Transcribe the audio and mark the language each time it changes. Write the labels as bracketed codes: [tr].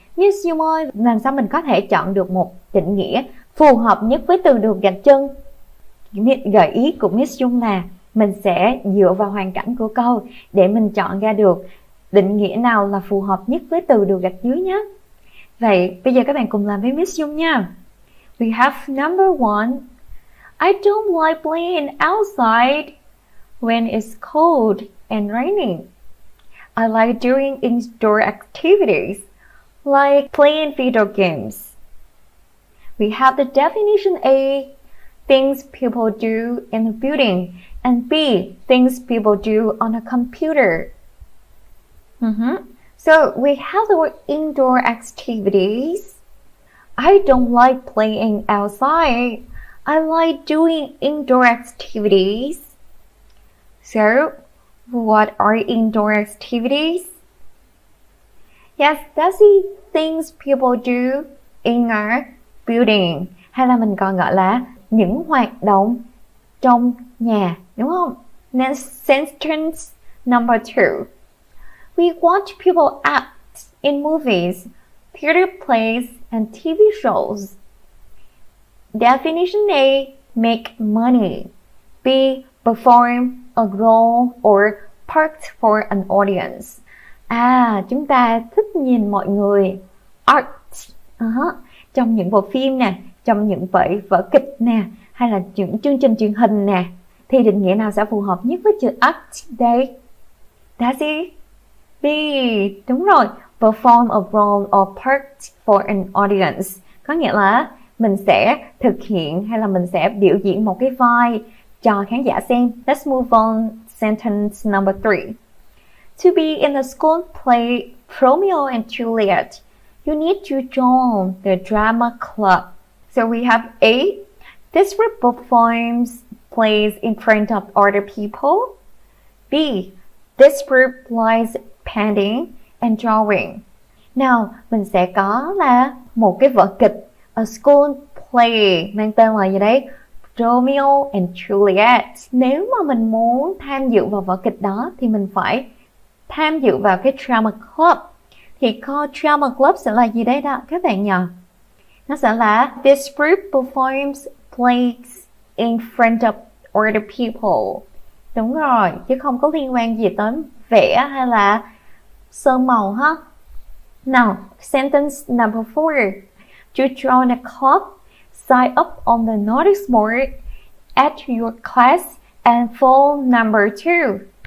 [vi] Yes, Dung ơi, làm sao mình có thể chọn được một định nghĩa phù hợp nhất với từ được gạch chân? Gợi ý của Miss Dung là mình sẽ dựa vào hoàn cảnh của câu để mình chọn ra được định nghĩa nào là phù hợp nhất với từ được gạch dưới nhé. Vậy, bây giờ các bạn cùng làm với Miss Dung nha. [en] We have number one. I don't like playing outside when it's cold and raining. I like doing indoor activities like playing video games. We have the definition A, things people do in a building, and B, things people do on a computer. So we have the word indoor activities. I don't like playing outside. I like doing indoor activities. So, what are indoor activities? Yes, that's the things people do in a building. [vi] Hay là mình còn gọi là những hoạt động trong nhà, đúng không? [en] Next sentence number two. We watch people act in movies, theater plays, and TV shows. Definition A, make money. B, perform a role or part for an audience. [vi] À, chúng ta thích nhìn mọi người art trong những bộ phim nè, trong những vở kịch nè, hay là những chương trình truyền hình nè. Thì định nghĩa nào sẽ phù hợp nhất với chữ art đây? That's it. [en] B, đúng rồi. Perform a role or part for an audience. [vi] Có nghĩa là mình sẽ thực hiện hay là mình sẽ biểu diễn một cái vai cho khán giả xem. [en] Let's move on sentence number three. To be in the school play Romeo and Juliet, you need to join the drama club. So we have A. This group performs plays in front of other people. B. This group likes painting and drawing. [vi] Now, mình sẽ có là một cái vở kịch, a school play mang tên là gì đấy? Romeo and Juliet. Nếu mà mình muốn tham dự vào vở kịch đó thì mình phải tham dự vào cái drama club. Thì có drama club sẽ là gì đấy đó các bạn nhỉ? [en] Nó sẽ là this group performs plays in front of other people. [vi] Đúng rồi, chứ không có liên quan gì tới vẽ hay là sơn màu ha. [en] Now, sentence number four. To join a club, sign up on the notice board at your class and phone number two.